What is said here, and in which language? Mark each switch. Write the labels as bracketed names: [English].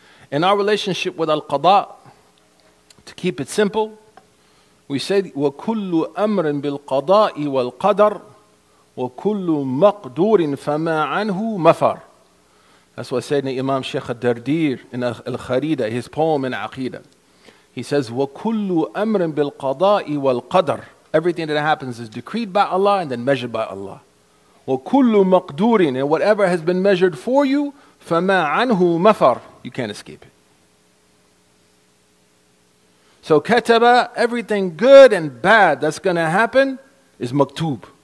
[English] In our relationship with Al-Qadha, to keep it simple, we said, [Arabic] وَكُلُّ أَمْرٍ بِالْقَضَاءِ وَالْقَدَرِ وَكُلُّ مَقْدُورٍ فَمَا عَنْهُ مَفَرٍ. [English] That's what Sayyidina Imam Sheikh al-Dardir in Al-Kharida, his poem in Aqidah. He says, [Arabic] وَكُلُّ أَمْرٍ بِالْقَضَاءِ وَالْقَدَرِ. [English] Everything that happens is decreed by Allah and then measured by Allah. [Arabic] وَكُلُّ مَقْدُورٍ. [English] And whatever has been measured for you, [Arabic] فَمَا عَنْهُ مَفَرٍ. [English] You can't escape it. So kataba, everything good and bad that's going to happen is maktub.